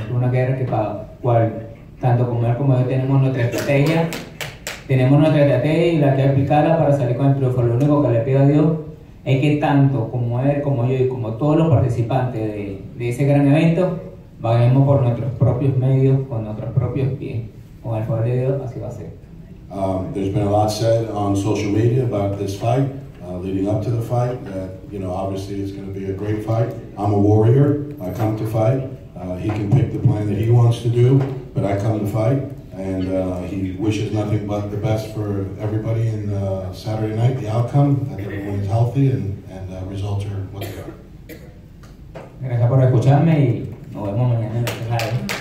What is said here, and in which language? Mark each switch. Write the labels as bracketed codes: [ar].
[es] Es una guerra que para cual, tanto como él como yo tenemos nuestra estrategia y la que aplicarla para salir con el triunfo. Lo único que le pido a Dios es que tanto como él, como yo y como todos los participantes de ese gran evento, vayamos por nuestros propios medios, con nuestros propios pies. Con el favor de Dios, así va a ser. [en] There's been a lot said on social media about this fight, leading up to the fight, that, you know, obviously it's going to be a great fight. I'm a warrior, I come to fight. He can pick the plan that he wants to do, but I come to fight. And he wishes nothing but the best for everybody in Saturday night, the outcome, that everyone is healthy and results are what they are. [es] Gracias por escucharme y nos vemos mañana en el live.